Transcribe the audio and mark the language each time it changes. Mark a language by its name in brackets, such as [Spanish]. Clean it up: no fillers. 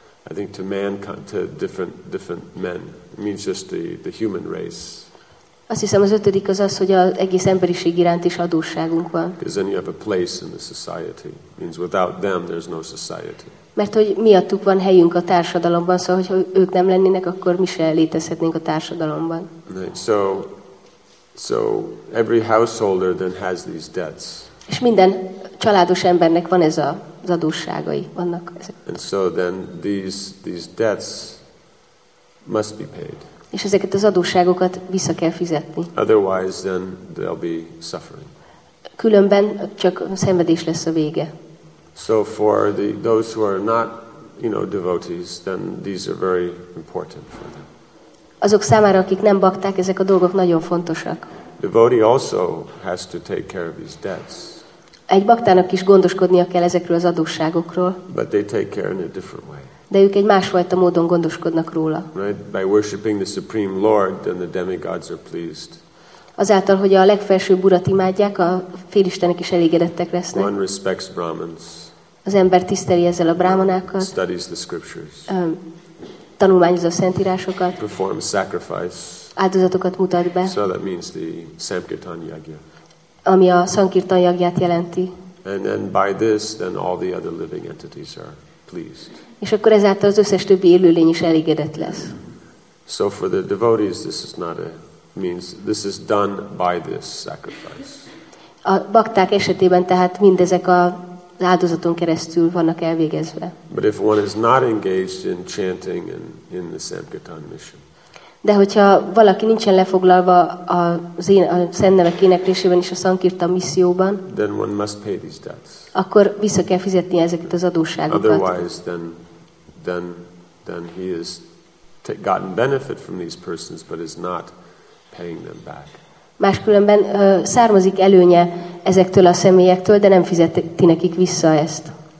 [English] I think to mankind, to different men. It means just the human race. [Hungarian] Azt hiszem az ötödik az az, hogy az egész emberiség iránt is adósságunk van. [English] Because then you have a place in the society. Means without them there's no society. [Hungarian] Mert hogy miattuk van helyünk a társadalomban, szóval hogyha ők nem lennének, akkor mi se létezhetnénk a társadalomban. [English] Right. So every householder then has these debts. [Hungarian] És minden családos embernek van ez az adósságai, vannak ezek. [English] And so then these debts must be paid. [Hungarian] És ezeket az adósságokat vissza kell fizetni. [English] Otherwise then they'll be suffering. [Hungarian] Különben csak szenvedés lesz a vége. [English] So for those who are not, you know, devotees, then these are very important for them. [Hungarian] Azok számára, akik nem bakták, ezek a dolgok nagyon fontosak. [English] Devotee also has to take care of his debts. [Hungarian] Egy baktának is gondoskodnia kell ezekről az adósságokról. [English] But they take care in a different way. [Hungarian] De ők egy másfajta módon gondoskodnak róla. [English] Right? By worshiping the Supreme Lord, then the demigods are pleased. [Hungarian] Azáltal, hogy a legfelsőbb urat imádják, a félistenek is elégedettek lesznek. [English] One respects Brahmins. [Hungarian] Az ember tiszteli ezzel a brámanákat. [English] Studies the scriptures. [Hungarian] Tanulmányozza a szentírásokat. [English] Performs sacrifice. [Hungarian] Áldozatokat mutat be. [English] So that means the Sankirtan Yagya. [Hungarian] Ami a Sankirtan Yagyát jelenti. [English] And then by this, then all the other living entities are pleased. [Hungarian] És akkor ezáltal az összes többi élőlény is elégedett lesz. [English] So for the devotees, this is not a means this is done by this sacrifice. [Hungarian] A bakták esetében tehát mindezek az áldozaton keresztül vannak elvégezve. [English] But if one is not engaged in chanting and in the Sankirtan mission. [Hungarian] De hogyha valaki nincsen lefoglalva a szentnevek éneklésében és a Sankirtan misszióban, [English] then one must pay these debts. [Hungarian] Akkor vissza kell fizetni ezeket az adósságokat. [English] Otherwise then he is gotten benefit from these persons but is not paying them back. [Hungarian] Máskülönben származik előnye ezektől a személyektől, de nem fizeti nekik vissza ezt.